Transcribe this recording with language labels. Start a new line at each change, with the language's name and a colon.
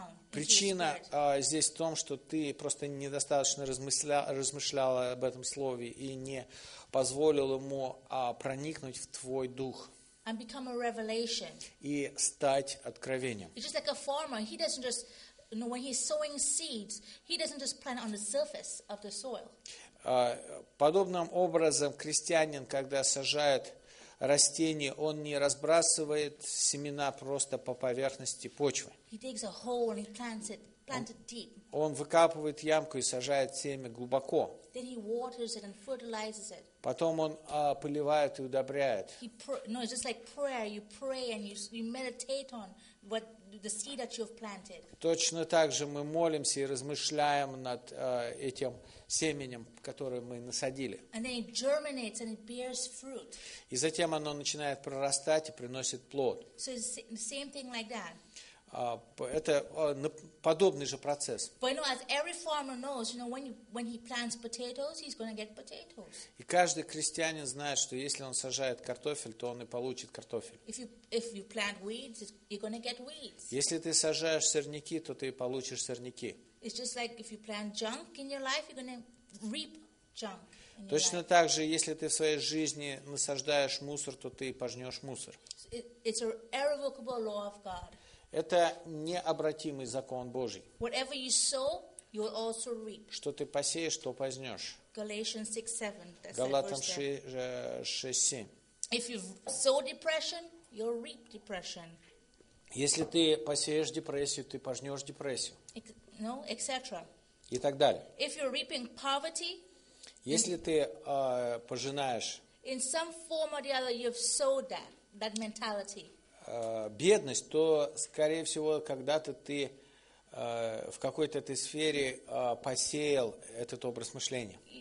Russian: Причина здесь в том, что ты просто недостаточно размышлял об этом Слове и не позволил ему проникнуть в твой дух.
English: And become a revelation.
Russian: И стать откровением.
English: It's just like a farmer. He doesn't just, you know, when he's sowing seeds, he doesn't just plant on the surface of the soil.
Russian: Подобным образом крестьянин, когда сажает растения, он не разбрасывает семена просто по поверхности почвы.
English: He digs a hole and he plants it deep.
Russian: Он выкапывает ямку и сажает семя глубоко.
English: Then he waters it and fertilizes it.
Russian: Потом он поливает и удобряет.
English: It's just like prayer. You pray and you meditate on what the seed that you have planted.
Russian: Точно так же мы молимся и размышляем над этим семенем, которое мы насадили.
English: And then it germinates and it bears fruit.
Russian: И затем оно начинает прорастать и приносит плод.
English: So it's the same thing like that.
Russian: Это подобный же процесс.
English: But you know, as every farmer knows, you know, when he plants potatoes, he's going to get potatoes.
Russian: И каждый крестьянин знает, что если он сажает картофель, то он и получит картофель.
English: If you plant weeds, you're going to get weeds.
Russian: Если ты сажаешь сорняки, то ты и получишь сорняки.
English: It's just like if you plant junk in your life, you're going to reap junk.
Russian: Точно так же, если ты в своей жизни насаждаешь мусор, то ты и пожнешь мусор.
English: It's an irrevocable law of God.
Russian: Это необратимый закон Божий.
English: Whatever you sow, you will also reap.
Russian: Что ты посеешь, то пожнешь.
English: Galatians 6:7.
Russian: Галатам 6:7.
English: If you sow depression, you'll reap depression.
Russian: Если ты посеешь депрессию, ты пожнешь депрессию.
English: No, etc.
Russian: И так далее.
English: If you're reaping poverty,
Russian: если ты пожинаешь.
English: In some form or the other, you've sowed that mentality.
Russian: Бедность, то, скорее всего, когда-то ты в какой-то этой сфере посеял этот образ мышления.